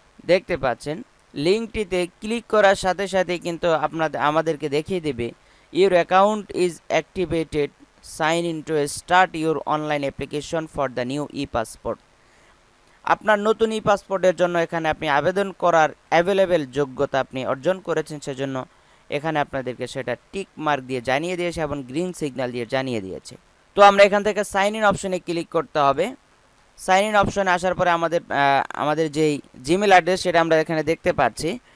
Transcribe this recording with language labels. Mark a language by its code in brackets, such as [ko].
[bn] দেখতে পাচ্ছেন লিঙ্কটিতে ক্লিক করার সাথে সাথে কিন্তু আমাদেরকে দেখিয়ে দেবে [en] Your account is activated. Sign in to start your online application for the new e-passport. [bn] আপনার নতুন ই-পাসপোর্টের জন্য এখানে আপনি আবেদন করার অ্যাভেলেবেল যোগ্যতা আপনি অর্জন করেছেন, সেজন্য এখানে আপনাদেরকে সেটা টিক মার্ক দিয়ে জানিয়ে দিয়েছে এবং গ্রিন সিগন্যাল দিয়ে জানিয়ে দিয়েছে। তো আমরা এখান থেকে সাইন ইন অপশনে ক্লিক করতে হবে। সাইন ইন অপশনে আসার পরে আমাদের আমাদের যেই জিমেল অ্যাড্রেস সেটা আমরা এখানে দেখতে পাচ্ছি।